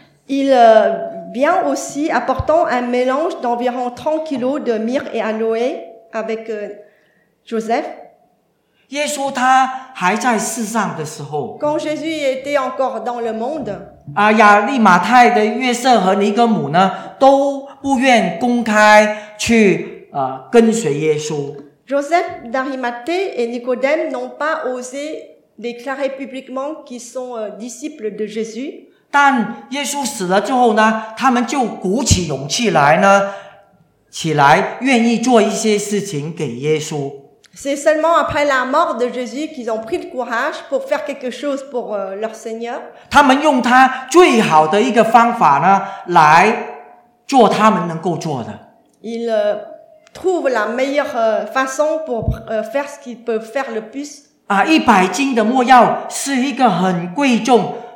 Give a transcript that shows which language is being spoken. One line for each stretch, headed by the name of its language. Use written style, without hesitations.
French: Il vient aussi apportant un mélange d'environ 30 kilos de myrrhe et aloe avec Joseph.
Chinese: 耶稣他还在世上的时候。
French: Quand Jésus était encore dans le monde.
Chinese: 亚利马太的约瑟和尼哥姆呢都不愿公开去跟随耶稣。
French: Joseph d'Arimathée et Nicodème n'ont pas osé déclarer publiquement qu'ils sont disciples de Jésus.
Chinese: 但耶稣死了之后呢，他们就鼓起勇气来呢，起来愿意做一些事情给耶稣。
French: C'est seulement après la mort de Jésus qu'ils ont pris le courage pour faire quelque chose pour leur Seigneur.
Chinese: 他们用他最好的一个方法呢，来做他们能够做的。
French: Ils trouvent la meilleure façon pour faire ce qu'ils peuvent faire le plus.
Chinese: 100斤的没药是一个很贵重。